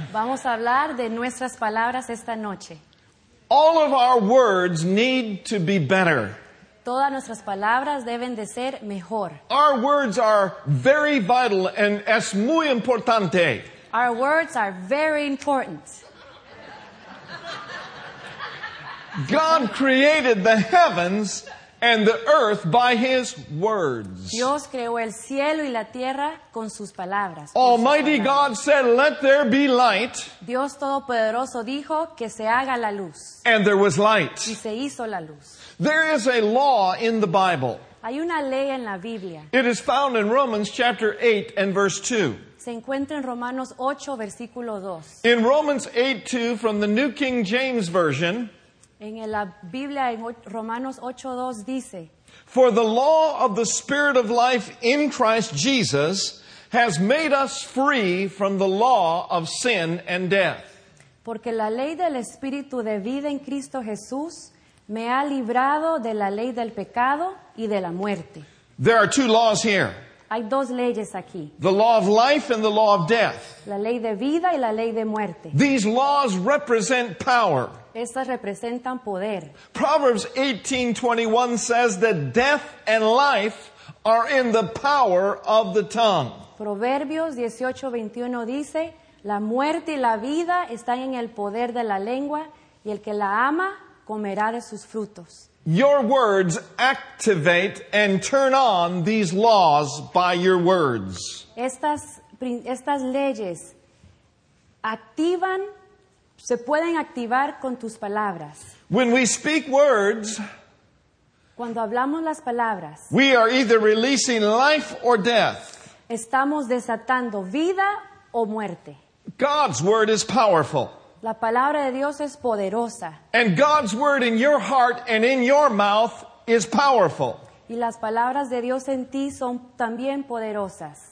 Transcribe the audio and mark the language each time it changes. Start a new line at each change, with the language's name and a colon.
Spanish: Vamos a hablar de nuestras palabras esta noche.
English: All of our words need to be better.
Spanish: Todas nuestras palabras deben de ser mejor.
English: Our words are very vital and
Spanish: es muy importante.
English: Our words are very important. God created the heavens and the earth by his words.
Spanish: Dios creó el cielo y la tierra con sus palabras.
English: Almighty God said, "Let there be light."
Spanish: Dios Todopoderoso dijo que se haga la luz.
English: And there was light.
Spanish: Y se hizo la luz.
English: There is a law in the Bible.
Spanish: Hay una ley en la Biblia.
English: It is found in Romans chapter 8 and verse 2.
Spanish: Se encuentra en Romanos 8, versículo 2.
English: In Romans 8:2 from the New King James Version.
Spanish: En la Biblia, en Romanos 8:2 dice,
English: "For the law of the Spirit of life in Christ Jesus has made us free from the law of sin and death."
Spanish: Porque la ley del Espíritu de vida en Cristo Jesús me ha librado de la ley del pecado y de la muerte.
English: There are two laws here.
Spanish: Hay dos leyes aquí.
English: The law of life and the law of death.
Spanish: La ley de vida y la ley de muerte.
English: These laws represent power.
Spanish: Estas representan poder.
English: Proverbs 18:21 says that death and life are in the power of the tongue.
Spanish: Proverbios 18:21 dice, la muerte y la vida están en el poder de la lengua, y el que la ama comerá de sus frutos.
English: Your words activate and turn on these laws by your words.
Spanish: Estas leyes activan, se pueden activar con tus palabras.
English: When we speak words,
Spanish: cuando hablamos las palabras,
English: we are either releasing life or death.
Spanish: Estamos desatando vida o muerte.
English: God's word is powerful.
Spanish: La palabra de Dios es poderosa.
English: And God's word in your heart and in your mouth is powerful.
Spanish: Y las palabras de Dios en ti son también poderosas.